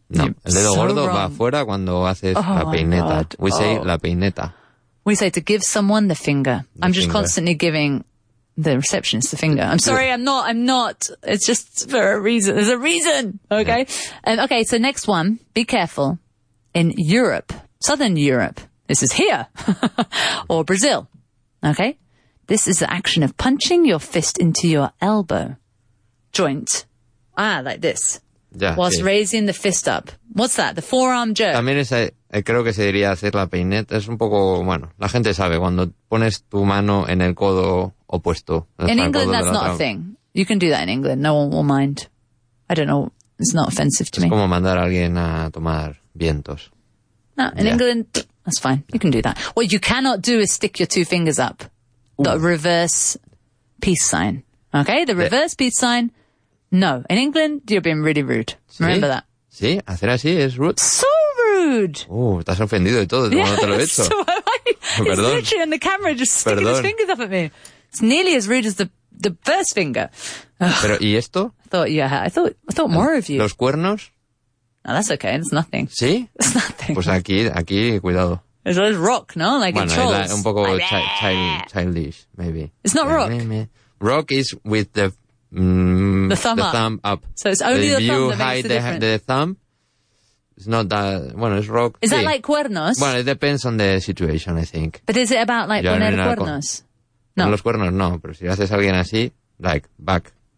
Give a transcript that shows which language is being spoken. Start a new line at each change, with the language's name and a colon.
Spanish: No, el dedo gordo va fuera cuando haces la peineta.
English: We say la peineta. We say to give someone the finger. I'm just constantly giving the receptionist the finger. I'm sorry, I'm not. It's just for a reason. There's a reason, okay? Yeah. Okay, so next one. Be careful. In Europe, Southern Europe, this is here, or Brazil, okay? This is the action of punching your fist into your elbow joint. Ah, like this. Yeah, whilst raising the fist up. What's that? The forearm jerk.
Spanish: También es, creo que se diría hacer la peineta. Es un poco, bueno, la gente sabe, cuando pones tu mano en el codo opuesto.
English: In England, that's not a thing. You can do that in England. No one will mind. I don't know. It's not offensive to me.
Spanish: Es como mandar a alguien a tomar vientos.
English: No, in England, that's fine. You can do that. What you cannot do is stick your two fingers up. Ooh. The reverse peace sign. Okay? The reverse peace sign. No. In England, you're being really rude.
Spanish: ¿Sí?
English: Remember that.
Spanish: Sí, hacer así es rude.
English: So rude.
Spanish: Estás ofendido y todo.
English: Yeah,
Spanish: no te lo he hecho.
English: So he's literally on the camera just sticking his fingers up at me. It's nearly as rude as the first finger.
Spanish: Pero, ¿y esto?
English: I thought more of you.
Spanish: ¿Los cuernos?
English: No, that's okay. It's nothing.
Spanish: ¿Sí?
English: It's nothing.
Spanish: Pues aquí, cuidado.
English: It's rock, no? Like
Spanish: bueno,
English: in trolls.
Spanish: Bueno, es un poco
English: childish, maybe. It's not rock. Rock is with the thumb up. So it's only the thumb that makes the If you hide the thumb, it's not that.
Spanish: Bueno,
English: it's rock. Is that like cuernos?
Spanish: Bueno,
English: it depends on the situation, I think. But is it about like
Spanish: poner cuernos? No. Los cuernos, no. Pero si haces a alguien así,
English: like, back.